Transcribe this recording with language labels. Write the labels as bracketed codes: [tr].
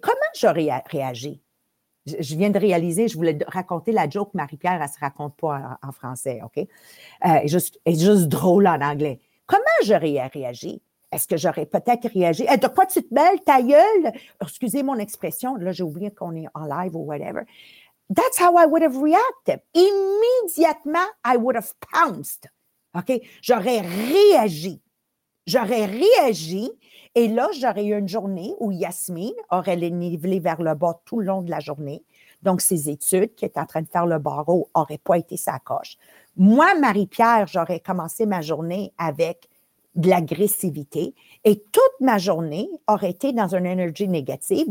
[fr] Comment j'aurais réagi? Je viens de réaliser, je voulais raconter la joke Marie-Pierre, elle ne se raconte pas en français, OK? Juste drôle en anglais. Comment j'aurais réagi? Est-ce que j'aurais peut-être réagi? De quoi tu te mêles, ta gueule? Excusez mon expression, là j'ai oublié qu'on est en live ou whatever. [en] That's how I would have reacted. [fr] Immédiatement, [en] I would have pounced, OK? [fr] J'aurais réagi. J'aurais réagi et là, j'aurais eu une journée où Yasmine aurait les nivelé vers le bas tout le long de la journée. Donc, ses études qui étaient en train de faire le barreau n'auraient pas été sa coche. Moi, Marie-Pierre, j'aurais commencé ma journée avec de l'agressivité et toute ma journée aurait été dans une énergie négative.